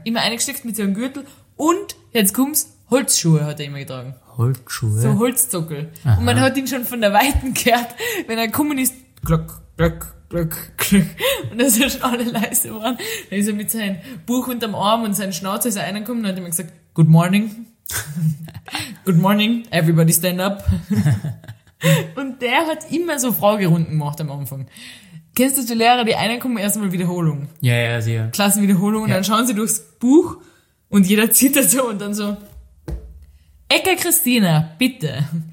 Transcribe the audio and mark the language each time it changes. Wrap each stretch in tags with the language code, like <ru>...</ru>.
<de>Immer eingesteckt mit so einem Gürtel. Und, jetzt kommt's, Holzschuhe hat er immer getragen. Holzschuhe? So Holzzockel. Aha. Und man hat ihn schon von der Weiten gehört, wenn er gekommen ist, glöck, glöck, glöck, glöck. Und das ist schon alle leise geworden. Dann ist er mit seinem Buch unterm Arm und seinem Schnauzer ist er reingekommen und hat immer gesagt,</de> <en>Good morning. Good morning, everybody stand up.</en> <de>Und der hat immer so Fragerunden gemacht am Anfang. Kennst du die Lehrer, die einen kommen erstmal Wiederholung? Ja, sehr. Klassenwiederholung und dann schauen sie durchs Buch und jeder zittert so und dann so, Ecke Christina, bitte.</de>